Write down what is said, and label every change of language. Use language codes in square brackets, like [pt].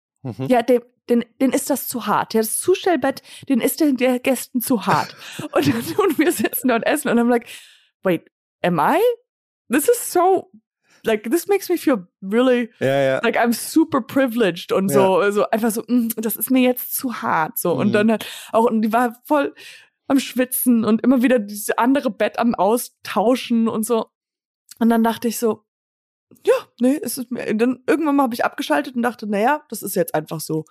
[de] Mhm. Ja, den ist das zu hart. Ja, das Zustellbett, den ist den der Gästen zu hart. Und wir sitzen da und essen und I'm like, wait, am I? [en] This is so, like, this makes me feel really, like I'm super privileged und so. [de] So einfach so, das ist mir jetzt zu hart. So. Und dann halt auch, und die war voll am Schwitzen und immer wieder dieses andere Bett am Austauschen und so. Und dann dachte ich so, ja, nee, es ist mir. Dann irgendwann mal habe ich abgeschaltet und dachte, naja, das ist jetzt einfach so.